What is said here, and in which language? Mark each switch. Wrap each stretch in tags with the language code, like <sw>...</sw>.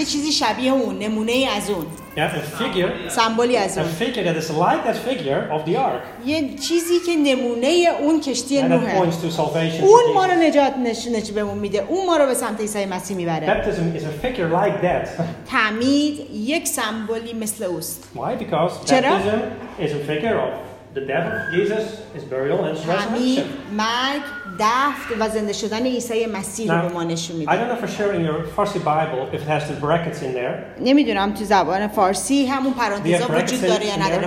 <fa>یه چیزی شبیه اون، نمونه ای از اون.</fa> <en>Yeah, a figure.</en> <fa>سمبولی از اون.</fa> <en>A figure that is like that figure of the ark.</en> <fa>یه چیزی که نمونه اون کشتی نوحه.</fa> <en>That points to salvation.</en> <fa>اون ما رو نجات نشونش بهمون میده. اون ما رو به سمت عیسی مسیح میبره.</fa> <en>Baptism is a figure like that.</en> <fa>تعمید یک سمبولی مثل اوست.</fa> <en>Why? Because baptism is a figure of the death of Jesus, his burial and his resurrection.</en> <fa>تعمید مرگ، دفن و زنده شدن عیسی مسیح رو ما نشون میده.</fa> <en>I don't know for sure in your Farsi Bible if it has the brackets in there.</en> <fa>نمیدونم تو زبان فارسی همون پرانتزا وجود داره یا نداره.</fa>